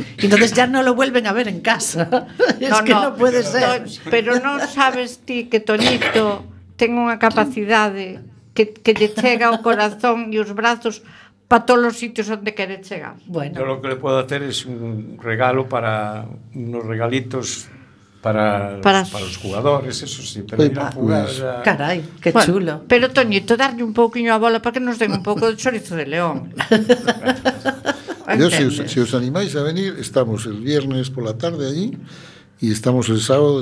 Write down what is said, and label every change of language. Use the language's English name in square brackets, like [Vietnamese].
[Spanish] Y entonces ya no lo vuelven a ver en casa. No puede ser. [Galician] Pero no sabes ti que Toñito ten unha capacidade que lle chega o corazón e os brazos para todos os sitios onde quere chegar. [Spanish] Bueno. Yo lo que le puedo hacer es un regalo para unos regalitos... Para os jugadores, eso sí, pero ir a jugar. Caray, qué bueno, chulo. [Galician] Pero Toñito, darlle un pouquiño a bola para que nos den un pouco de chorizo de león. [Spanish] Yo, si os animáis a venir, estamos el viernes por la tarde allí y estamos el sábado.